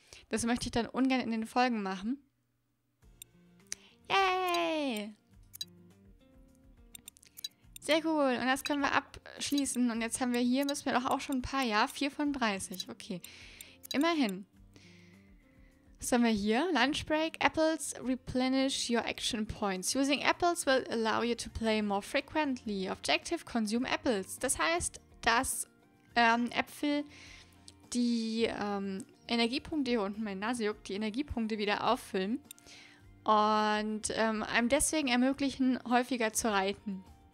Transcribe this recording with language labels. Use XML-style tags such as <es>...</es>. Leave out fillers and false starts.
<de>Das möchte ich dann ungern in den Folgen machen. Yay! Sehr cool. Und das können wir abschließen. Und jetzt haben wir hier, müssen wir doch auch schon ein paar, ja, 4 von 30. Okay. Immerhin. Was haben wir hier? Lunch Break.</de> <en>Apples replenish your action points. Using apples will allow you to play more frequently. Objective, consume apples.</en> <de>Das heißt, dass Äpfel die Energiepunkte hier unten, meine Nase juckt, die Energiepunkte wieder auffüllen und einem deswegen ermöglichen, häufiger zu reiten.</de>